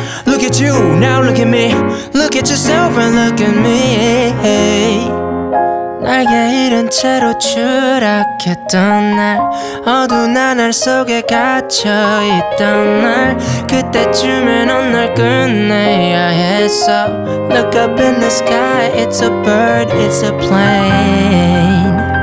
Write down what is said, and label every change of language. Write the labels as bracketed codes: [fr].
[en] Look at you, now look at me. Look at yourself and look at me. [ko] 나에게 잃은 채로 추락했던 날 어두운 하늘 속에 갇혀있던 날 그때쯤엔 넌 날 끝내야 했어. [en] Look up in the sky, it's a bird, it's a plane.